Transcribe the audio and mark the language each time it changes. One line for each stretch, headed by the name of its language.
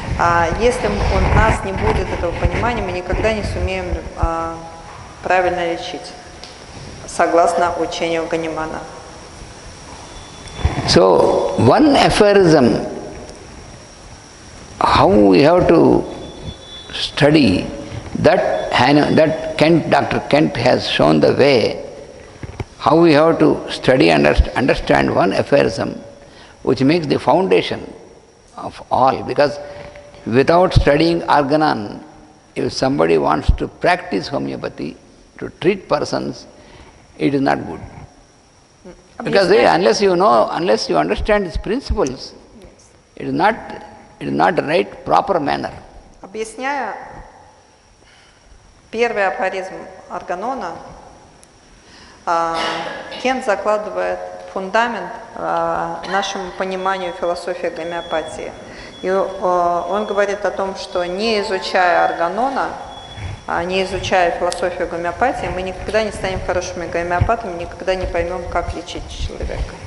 Russian: А если у нас не будет этого понимания, мы никогда не сумеем правильно лечить. Согласно учению Ганимана.
English: So one aphorism, how we have to study that Kent, Dr. Kent has shown the way, how we have to study and understand one aphorism, which makes the foundation of all, because without studying Arganan, if somebody wants to practice homeopathy, to treat persons, it is not good. Because unless you understand its principles, yes, it is not the right proper manner.
Russian: Объясняя первый афоризм Арганона, Кент закладывает фундамент нашему пониманию философии гомеопатии. И он говорит о том, что не изучая Арганона, не изучая философию гомеопатии, мы никогда не станем хорошими гомеопатами, никогда не поймем, как лечить человека.